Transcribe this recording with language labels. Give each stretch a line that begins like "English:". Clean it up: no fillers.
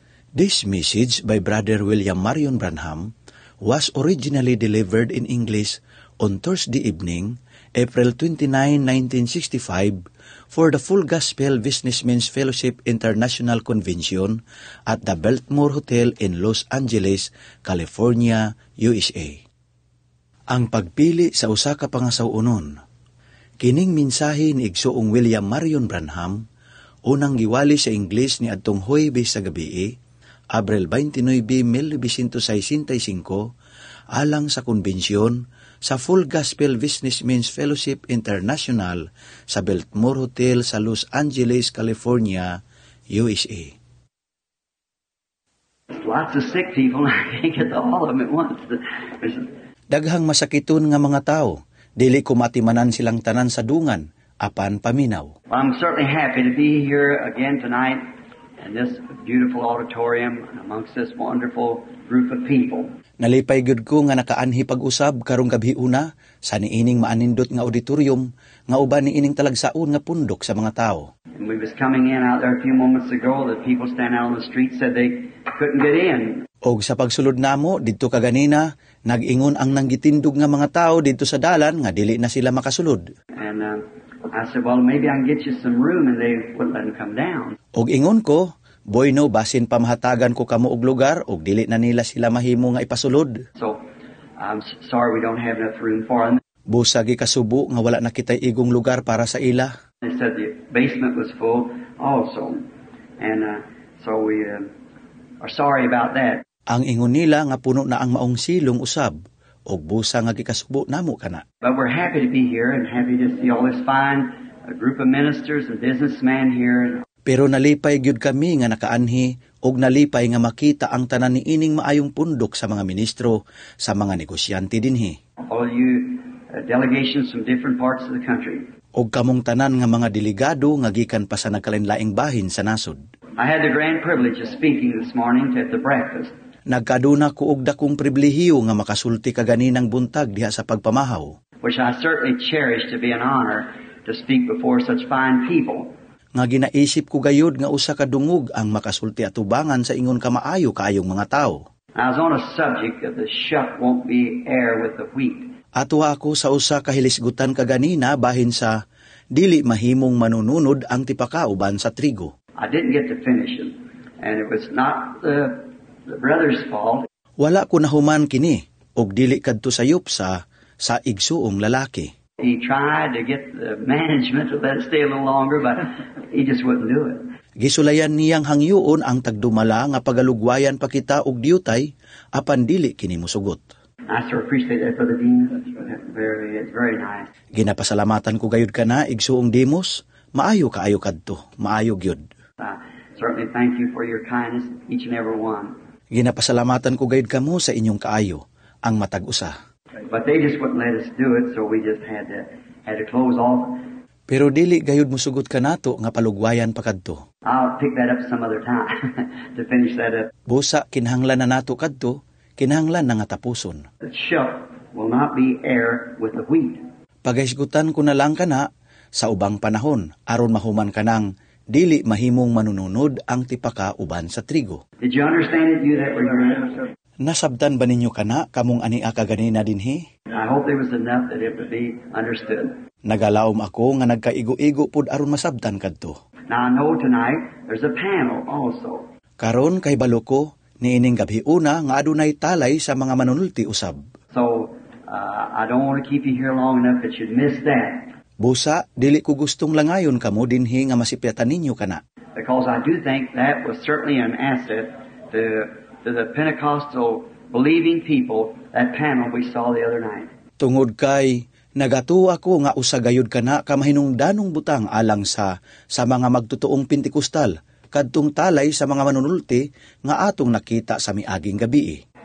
English: This message by Brother William Marion Branham was originally delivered in English on Thursday evening, April 29, 1965, for the Full Gospel Businessmen's Fellowship International Convention at the Biltmore Hotel in Los Angeles, California, USA.
Cebuano: Ang pagpili sa usa ka pangasaw-unon. Kining mensahe ni igsoong William Marion Branham, unang giwali sa Ingles ni adtong Huwebes sa gabi, April 29, 1965, alang sa konbensyon sa Full Gospel Businessmen's Fellowship International sa Biltmore Hotel sa Los Angeles, California, USA.
English: Lots of sick people, I can't get all of them at once.
Cebuano: Daghang masakiton nga mga tao, dili kumatimanan silang tanan sa dungan, apan paminaw.
English: Well, I'm certainly happy to be here again tonight in this beautiful auditorium amongst this wonderful group of people.
Cebuano: Nalipay gyud ko nga nakaanhi pag-usab karong gabi una sa niining maanindot nga auditorium nga uban niining talagsaon nga pundok sa mga tao.
English: And we was coming in out there a few moments ago, the people standing out on the street said they couldn't get in.
Cebuano: Og sa pagsulod namo dito kaganina, nag-ingon ang nanggitindog nga mga tao dito sa dalan nga dili na sila makasulod.
English: And I said, well, maybe I can get you some room, and they wouldn't let him come down.
Cebuano: Og ingon ko, boy no, basin pamahatagan ko kamo og lugar, og dili na nila sila mahimo nga ipasulod.
English: So, I'm sorry we don't have enough room for them.
Cebuano: Busa gi kasubo nga wala na kitay igong lugar para sa ila.
English: They said the basement was full also, and so we are sorry about that.
Cebuano: Ang ingon nila nga puno na ang maong silong usab. Og busa nga gikasubo namo kana.
English: But we're happy to be here and happy to see all this fine group of ministers and businessmen here.
Cebuano: Pero nalipay gyud kami nga nakaanhi og nalipay nga makita ang tanan niining maayong pundok sa mga ministro, sa mga negosyante dinhi.
English: All you delegations from different parts of the country.
Cebuano: Og kamong tanan nga mga delegado nga gikan pa sa nagkalainlaing bahin sa nasod.
English: I had the grand privilege of speaking this morning at the breakfast.
Cebuano: Nagkaduna ko og dakong pribilehiyo nga makasulti kaganinang buntag diha sa pagpamahaw.
English: Which I certainly cherish to be an honor to speak before such fine people.
Cebuano: Nga ginaisip ko gayud nga usa ka dungog ang makasulti atubangan sa ingon kamaayo kaayong mga tao.
English: I was on a subject that the sheep won't be heir with the wheat.
Cebuano: Atuwa ako sa usa ka hilisgutan kaganina bahin sa dili mahimong manununod ang tipaka uban sa trigo.
English: I didn't get to finish it, and it was not the brother's fault.
Cebuano: Wala ko nahuman kini og dili kadto sayop sa igsuong lalaki.
English: He tried to get the management to let it stay a little longer, but he just wouldn't do it.
Cebuano: Gisulayan niyang hangyoon ang tagdumala nga pagalugwayan pa kita og diutay apan dili kini musugot.
English: I sure appreciate that, Brother Dean. Very nice.
Cebuano: Ginapasalamatan ko gayud kana igsuong Demos, maayo kaayo kadto, maayo gyud.
English: Certainly thank you for your kindness, each and every one.
Cebuano: Ginapasalamatan ko gayud kamo sa inyong kaayo, ang matag-usa.
English: But they just wouldn't let us do it, so we just had to close off.
Cebuano: Pero dili gayud musugot kanato nga palugwayan pa kadto.
English: I'll pick that up some other time to finish that up.
Cebuano: Busa kinahanglan na nato kadto, kinahanglan na nga tapuson.
English: The sheep will not be heir with the wheat.
Cebuano: Pagaisgutan ko na lang kana sa ubang panahon aron mahuman kanang dili mahimong manununod ang tipaka uban sa trigo.
English: Did you understand it, you that were here?
Cebuano: Nasabdan ba ninyo kana kamong ania kaganina dinhi?
English: I hope there was enough that it would be understood.
Cebuano: Nagalaom ako nga nagkaigo-igo pud aron masabdan kadto.
English: Now I know tonight there's a panel also.
Cebuano: Karon kay baloko niining gabi una nga adunay talay sa mga manunulti usab.
English: So I don't want to keep you here long enough that you'd miss that.
Cebuano: Busa, dili ko gustong langayon kamo dinhi nga masipyatan ninyo kana.
English: Because I do think that was certainly an asset to the Pentecostal believing people, that panel we saw the other night.
Cebuano: Tungod kay, nagatuo ako nga usa gayud kana ka mahinungdanong butang alang sa mga magtutuong Pentecostal, kadtong talay sa mga manunulti nga atong nakita sa miaging gabi.